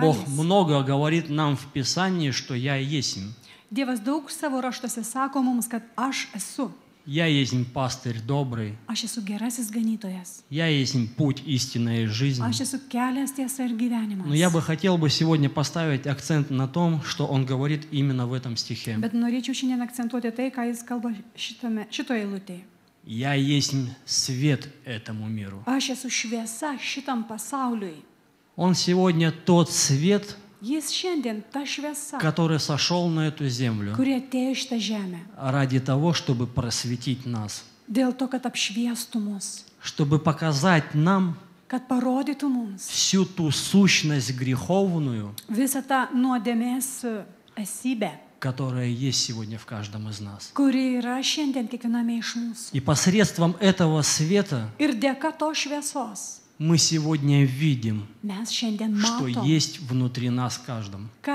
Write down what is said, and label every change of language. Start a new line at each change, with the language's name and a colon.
Russian: Бог много говорит нам в Писании, что я есть.
Lithuanian: Dievas daug savo raštuose sako mums, kad aš esu.
Russian: Я есть пастырь добрый.
Lithuanian: Aš esu gerasis ganytojas.
Russian: Я есть путь, истинная жизнь.
Lithuanian: Aš esu kelias, tiesa ir gyvenimas.
Russian: Но я бы хотел бы сегодня поставить акцент на том, что он говорит именно в этом стихе.
Lithuanian: Bet norėčiau šiandien akcentuoti tai, ką jis kalba šitoje eilutėje.
Russian: Я есть свет этому миру.
Lithuanian: Aš esu šviesa šitam pasauliui.
Russian: Он сегодня тот свет,
Lithuanian: jis šiandien ta šviesa,
Russian: который сошел на эту землю,
Lithuanian: kuri atėjo šitą žemę,
Russian: ради того, чтобы просветить нас,
Lithuanian: dėl to, kad apšviestų mus,
Russian: чтобы показать нам,
Lithuanian: kad parodytų mums,
Russian: всю ту сущность греховную,
Lithuanian: visą tą nuodėmės esybę,
Russian: которая есть сегодня в каждом из нас,
Lithuanian: kuri yra šiandien kiekviename iš mūsų,
Russian: и посредством этого света,
Lithuanian: ir dėka to šviesos,
Russian: мы сегодня видим, что есть внутри нас каждым.